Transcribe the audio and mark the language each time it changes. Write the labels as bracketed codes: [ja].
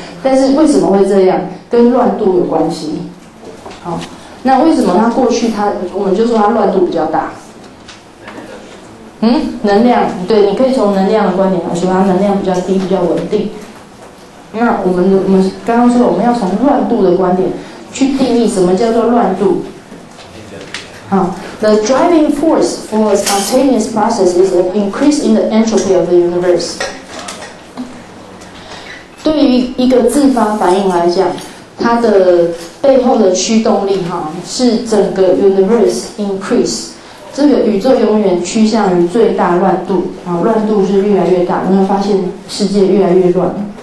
[zh] 但是为什么会这样？跟乱度有关系。好，那为什么它过去它，我们就说它乱度比较大？能量，对，你可以从能量的观点来说，它能量比较低，比较稳定。那我们刚刚说，我们要从乱度的观点去定义什么叫做乱度。好 [en] ，the driving force for a spontaneous process is an increase in the entropy of the universe。 [zh] 对于一个自发反应来讲，它的背后的驱动力哈，是整个 [en] universe increase。 [zh] 这个宇宙永远趋向于最大乱度，乱度是越来越大，你会发现世界越来越乱。